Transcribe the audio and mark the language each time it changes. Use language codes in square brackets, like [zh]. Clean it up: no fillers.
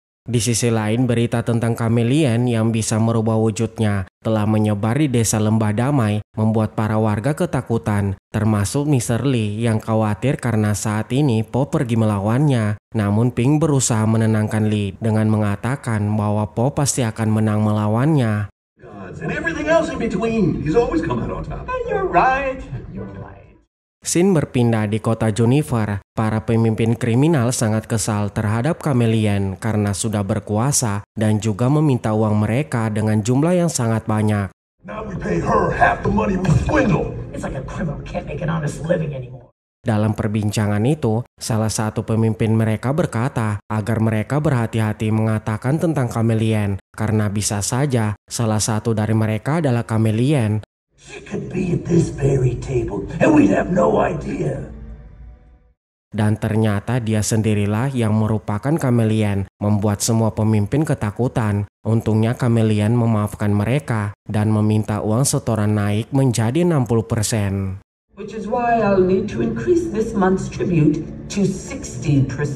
[id] Di sisi lain berita tentang Chameleon yang bisa merubah wujudnya telah menyebar di desa Lembah Damai membuat para warga ketakutan termasuk Mr. Lee yang khawatir karena saat ini Po pergi melawannya. Namun Ping berusaha menenangkan Lee dengan mengatakan bahwa Po pasti akan menang melawannya. [en] And everything else in between. He's always come out on top. And you're right. [id] Scene berpindah di kota Jennifer. Para pemimpin kriminal sangat kesal terhadap Chameleon karena sudah berkuasa dan juga meminta uang mereka dengan jumlah yang sangat banyak. [en] Now we pay her half the money we swindle. It's like a criminal can't make an honest living anymore. [id] Dalam perbincangan itu, salah satu pemimpin mereka berkata agar mereka berhati-hati mengatakan tentang Chameleon karena bisa saja salah satu dari mereka adalah Chameleon. [en] She could be at this very table and we'd have no idea. [id] Dan ternyata dia sendirilah yang merupakan Chameleon, membuat semua pemimpin ketakutan. Untungnya Chameleon memaafkan mereka dan meminta uang setoran naik menjadi 60%. [en] Which is why I'll need to increase this month's tribute to 60%.